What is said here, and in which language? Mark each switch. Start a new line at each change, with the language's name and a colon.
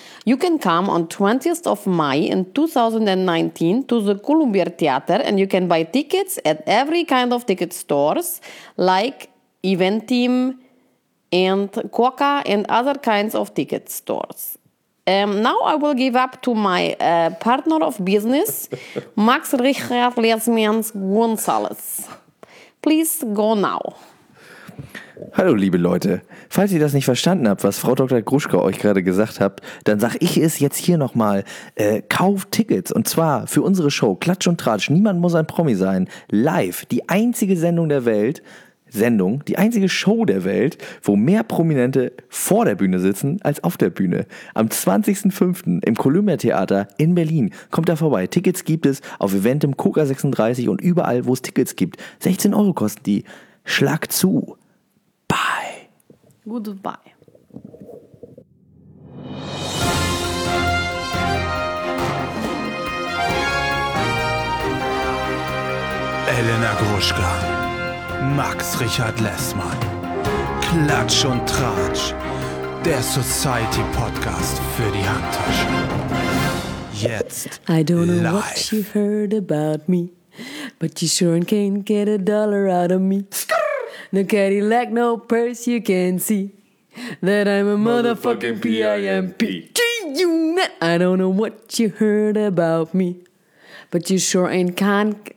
English: You can come on 20th of May in 2019 to the Columbia Theater and you can buy tickets at every kind of ticket stores like Eventim and Quokka and other kinds of ticket stores. Now I will give up to my partner of business, Max Richard Lesmians Gonzalez. Please go now.
German: Hallo liebe Leute, falls ihr das nicht verstanden habt, was Frau Dr. Gruschka euch gerade gesagt hat, dann sag ich es jetzt hier nochmal, kauft Tickets und zwar für unsere Show Klatsch und Tratsch, Niemand muss ein Promi sein, live, die einzige Sendung der Welt, die einzige Show der Welt, wo mehr Prominente vor der Bühne sitzen als auf der Bühne. Am 20.05. im Columbia Theater in Berlin. Kommt da vorbei. Tickets gibt es auf Eventim, Quokka 36 und überall, wo es Tickets gibt. 16 Euro kosten die. Schlag zu. Bye.
English: Goodbye.
German: Elena Gruschka. Max Richard Lessmann. Klatsch und Tratsch. Der Society-Podcast für die Handtasche. Jetzt live.
English: I don't know what you heard about me, but you sure can't get a dollar out of me. No Cadillac, no purse, you can see that I'm a motherfucking P.I.M.P. G-Unit. I don't know what you heard about me, but you sure ain't can't...